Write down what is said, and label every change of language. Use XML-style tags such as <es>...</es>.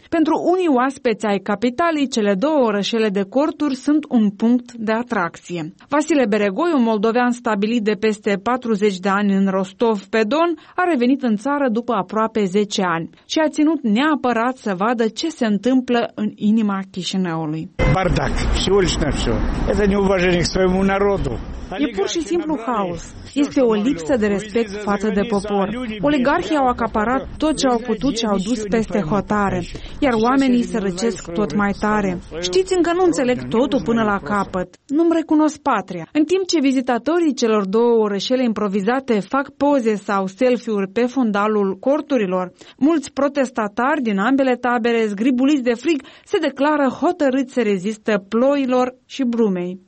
<ro>Pentru unii oaspeți ai capitalii, cele două orășele de corturi sunt un punct de atracție. Vasile Beregoiu, moldovean stabilit de peste 40 de ani în Rostov pe Don, a revenit în țară după aproape 10 ani și a ținut neapărat să vadă ce se întâmplă în inima Chișinăului.</ro> <ru>Бардак, всего лишь на все. Это неуважение к своему народу.</ru> <ro>E pur și simplu haos. Este o lipsă de respect față de popor. Oligarhii au acaparat tot ce au putut și au dus peste hotare, iar oamenii se răcesc tot mai tare. Știți, încă nu înțeleg totul până la capăt. Nu-mi recunosc patria. În timp ce vizitatorii celor două orășele improvizate fac poze sau selfie-uri pe fundalul corturilor, mulți protestatari din ambele tabere, zgribuliți de frig, se declară hotărâți să rezistă ploilor și brumei.</ro>